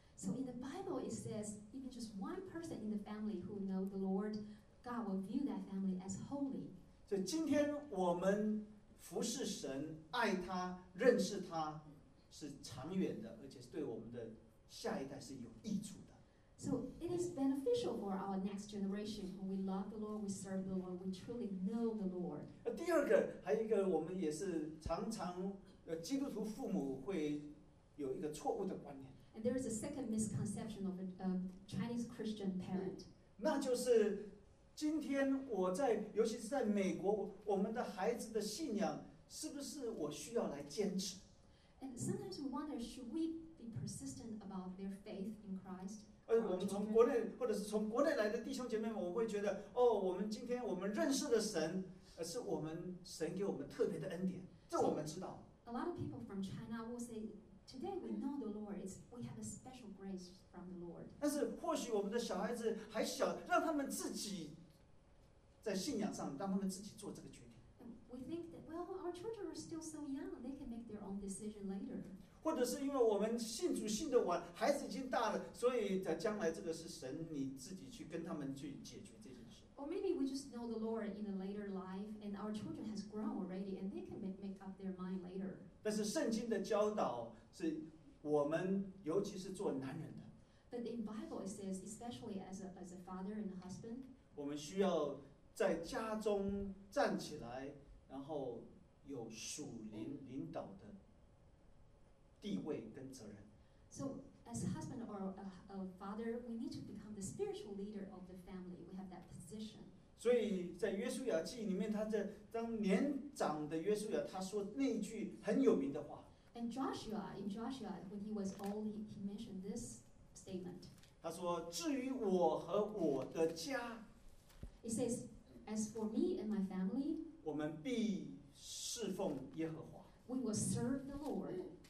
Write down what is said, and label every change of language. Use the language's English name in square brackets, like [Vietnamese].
[English] So in the Bible it says even just one person in the family who know the Lord, God will view that family as holy. [Chinese] 所以今天我们服侍神、爱他、认识他是长远的，而且对我们的下一代是有益处的。 [English] So it is beneficial for our next generation when we love the Lord, we serve the Lord, we truly know the Lord. [Chinese] 第二个，还有一个，我们也是常常基督徒父母会有一个错误的观念。 [English] And there is a second misconception of a Chinese Christian parent. [Chinese] 那就是今天我在，尤其是在美国，我们的孩子的信仰是不是我需要来坚持？ [English] And sometimes we wonder, should we be persistent about their faith in Christ? [Chinese] 而我们从国内或者是从国内来的弟兄姐妹们，我会觉得哦，我们今天我们认识的神，是我们神给我们特别的恩典，这我们知道。 [English] A lot of people from China will say, today we know the Lord. It's we have a special grace from the Lord. [Chinese] 但是或许我们的小孩子还小，让他们自己在信仰上，让他们自己做这个决定。 [English] We think that well, our children are still so young; they can make their own decision later. [Chinese] 或者是因为我们信主信的晚，孩子已经大了，所以在将来这个是神你自己去跟他们去解决这件事。 [English] Or maybe we just know the Lord in a later life, and our children has grown already, and they can make up their mind later. [Chinese] 但是圣经的教导是我们，尤其是做男人的。 [English] But in Bible it says, especially as a father and a husband, [Chinese] 我们需要在家中站起来，然后有属灵领导的。地位跟责任。 [English] So as a husband or a father, we need to become the spiritual leader of the family. We have that position. [Chinese] 所以在约书亚记里面，他在当年长的约书亚，他说那一句很有名的话。 [English] And Joshua, in Joshua, when he was old, he mentioned this statement. [Chinese] 他说：“至于我和我的家 [English] ，He says, as for me and my family, [Chinese] 我们必侍奉耶和华。 [English] We will serve the Lord.”